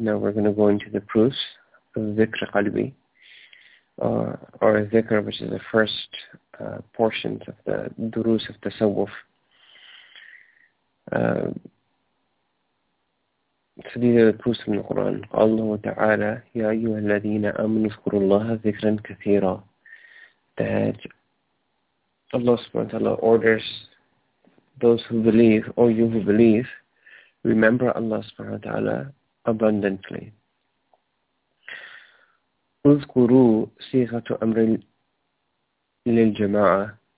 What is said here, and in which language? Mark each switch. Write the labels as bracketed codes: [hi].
[en] Now we're going to go into the proofs of ذِكْرِ قَلْبِي, or ذِكْر, which is the first portions of the durus of tasawwuf. So these are the proofs from the Quran. [ar] Allah Ta'ala, يَا أَيُّهَا الَّذِينَ آمَنُوا اذْكُرُوا اللَّهَ ذِكْرًا كَثِيرًا. [en] That Allah Subhanahu wa Ta'ala orders those who believe, or you who believe, remember Allah Subhanahu wa Ta'ala abundantly. [ar] اذْكُرُوا صِيغَةُ أَمْرِ لِلْجَمَاعَةِ.